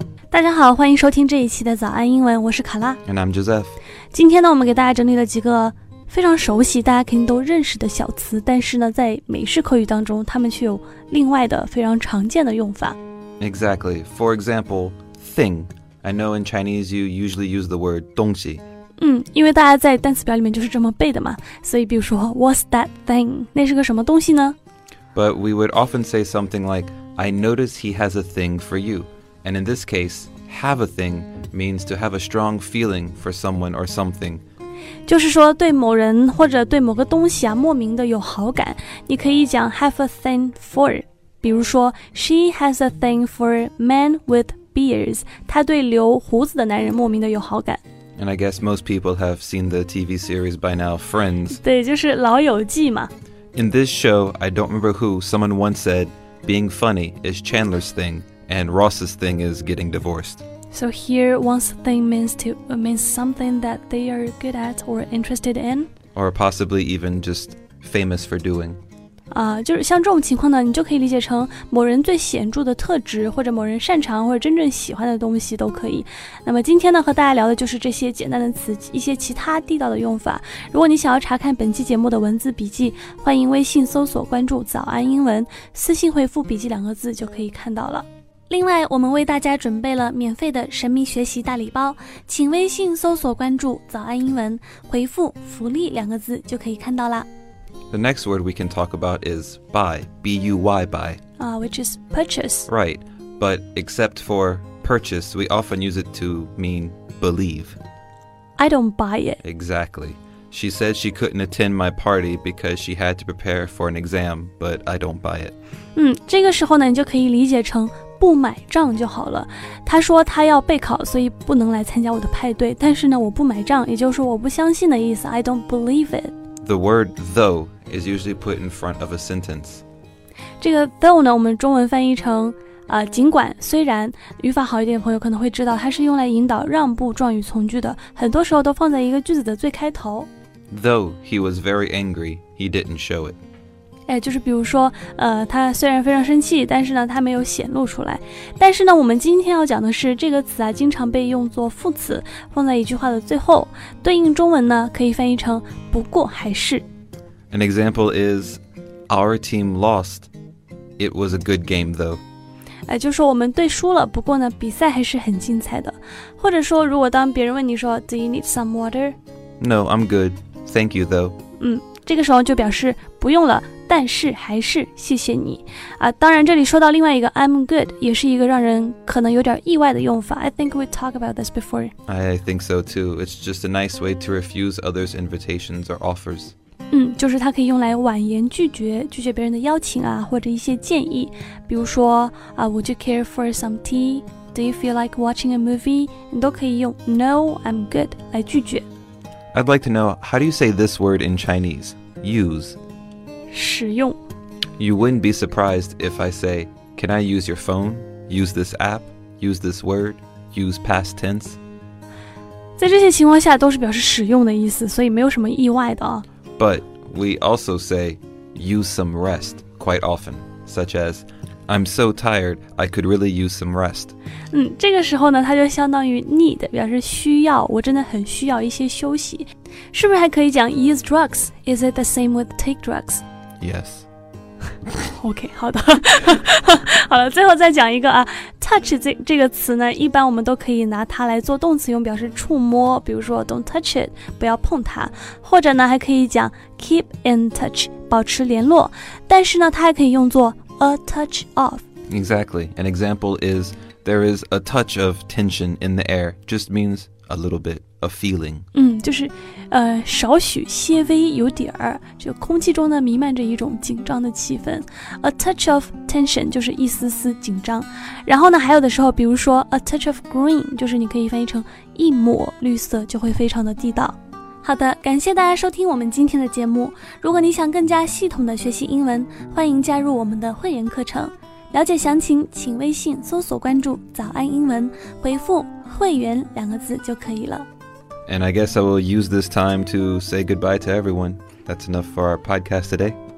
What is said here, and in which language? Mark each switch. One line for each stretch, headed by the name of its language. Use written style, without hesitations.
Chinese: 大家好，欢迎收听这一期的早安英文，我是卡拉。
English: And I'm Joseph。
Chinese: 今天呢，我们给大家整理了几个非常熟悉，大家肯定都认识的小词，但是呢，在美式口语当中，它们却有另外的非常常见的用法。
English: Exactly. For example, thing. I know in Chinese you usually use the word 东西。
Chinese: 因为大家在单词表里面就是这么背的嘛，所以比如说
English: What's that thing?
Chinese: 那是个什么东西呢？
English: But we would often say something like, I notice he has a thing for you. And in this case, have a thing means to have a strong feeling for someone or something.
Chinese: 就是说对某人或者对某个东西啊莫名的有好感，你可以讲 have a thing for。比如说
English: She has a thing for men with beards.
Chinese: 她对留胡子的男人莫名的有好感。
English: And I guess most people have seen the TV series by now, Friends.
Chinese: 对，就是老友记嘛。
English: In this show, I don't remember who, someone once said, being funny is Chandler's thing, and Ross's thing is getting divorced. So here, one's thing means something that they are good at or interested in? Or possibly even just famous for doing.
Chinese: 就是像这种情况呢，你就可以理解成某人最显著的特质，或者某人擅长或者真正喜欢的东西都可以。那么今天呢，和大家聊的就是这些简单的词，一些其他地道的用法。如果你想要查看本期节目的文字笔记，欢迎微信搜索关注早安英文，私信回复笔记两个字就可以看到了。另外，我们为大家准备了免费的神秘学习大礼包，请微信搜索关注早安英文，回复福利两个字就可以看到了。
English: The next word we can talk about is buy, B-U-Y, buy. Which is purchase. Right, but except for purchase, we often use it to mean believe. I don't buy it. Exactly. She said she couldn't attend my party because she had to prepare for an exam, but I don't buy it.
Chinese: 这个时候呢，你就可以理解成不买账就好了。她说她要备考，所以不能来参加我的派对，但是呢，我不买账，也就是说我不相信的意思。
English: I don't believe it. The word though is usually put in front of a sentence.
Chinese: 这个 though 呢，我们中文翻译成尽管、虽然，语法好一点的朋友可能会知道，它是用来引导让步状语从句的，很多时候都放在一个句子的最开头。
English: Though he was very angry, he didn't show it.
Chinese: 就是比如说他虽然非常生气，但是呢，他没有显露出来。但是呢，我们今天要讲的是这个词啊，经常被用作副词，放在一句话的最后，对应中文呢，可以翻译成不过还是。
English: An example is, our team lost. It was a good game, though.
Chinese: 就是说我们队输了，不过呢，比赛还是很精彩的。或者说，如果当别人问你说
English: Do you need some water? No, I'm good. Thank you, though.
Chinese: 这个时候就表示不用了。但是还是谢谢你当然这里说到另外一个 I'm good 也是一个让人可能有点意外的用法
English: I think we talked about this before I think so too It's just a nice way to refuse others' invitations or offers
Chinese: 就是它可以用来婉言拒绝别人的邀请啊或者一些建议比如说
English: Would you care for some tea? Do you feel like watching a movie?
Chinese: 你都可以用
English: No, I'm good
Chinese: 来拒绝
English: I'd like to know How do you say this word in Chinese? Use
Chinese: 使用
English: You wouldn't be surprised if I say, Can I use your phone? Use this app? Use this word? Use past tense?
Chinese: 在这些情况下都是表示使用的意思所以没有什么意外的
English: But we also say, use some rest quite often, such as, I'm so tired, I could really use some rest.
Chinese: 这个时候呢它就相当于 need, 表示需要我真的很需要一些休息。是不是还可以讲 use drugs?
English: Is it the same with take drugs? Yes.
Chinese: OK, 好的。好了最后再讲一个touch 这个词呢一般我们都可以拿它来做动词用表示触摸比如说
English: don't touch it,
Chinese: 不要碰它。或者呢还可以讲 keep in touch, 保持联络。但是呢它还可以用作 a touch of.
English: Exactly. An example is, there is a touch of tension in the air, just means a little bit. A feeling.
Chinese: 就是少许些微有点儿就空气中呢弥漫着一种紧张的气氛。 A touch of tension, 就是一丝丝紧张。然后呢还有的时候比如说 a touch of green, 就是你可以翻译成一抹绿色就会非常的地道。好的感谢大家收听我们今天的节目。如果你想更加系统的学习英文欢迎加入我们的会员课程。了解详情请微信搜索关注早安英文回复会员两个字就可以了。
English: And I guess I will use this time to say goodbye to everyone. That's enough for our podcast today.